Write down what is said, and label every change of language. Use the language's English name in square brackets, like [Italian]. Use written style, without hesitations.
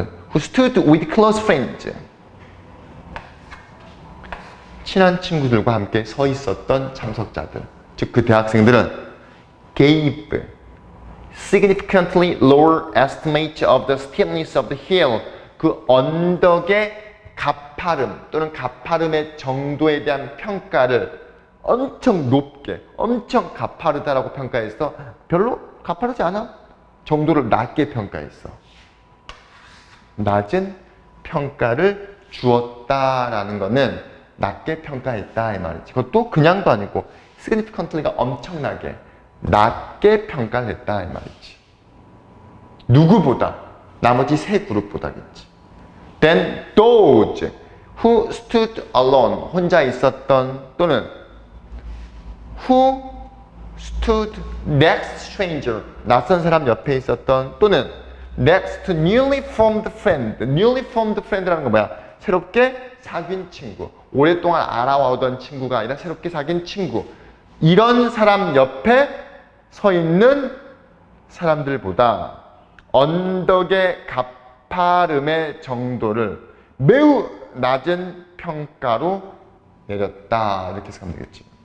[English] Who stood with close friends. [Korean] 친한 친구들과 함께 서 있었던 참석자들. 즉, 그 대학생들은 [English] gave, significantly lower estimate of the steepness of the hill. [Korean] 그 언덕의 가파름 또는 가파름의 정도에 대한 평가를 엄청 높게, 엄청 가파르다라고 평가해서 별로 가파르지 않아? 정도를 낮게 평가했어. 낮은 평가를 주었다라는 거는 낮게 평가했다 이 말이지. 그것도 그냥도 아니고 significantly가 엄청나게 낮게 평가를 했다 이 말이지. 누구보다? 나머지 세 그룹보다겠지. [English] Then those who stood alone, [Korean] 혼자 있었던 또는 [English] who stood next stranger, [Korean] 낯선 사람 옆에 있었던 또는 [English] next to newly formed friend, newly formed friend [Korean] 라는 건 뭐야? 새롭게 사귄 친구, 오랫동안 알아오던 친구가 아니라 새롭게 사귄 친구, 이런 사람 옆에 서 있는 사람들보다 언덕의 가파름의 정도를 매우 낮은 평가로 내렸다 이렇게 생각하면 되겠지.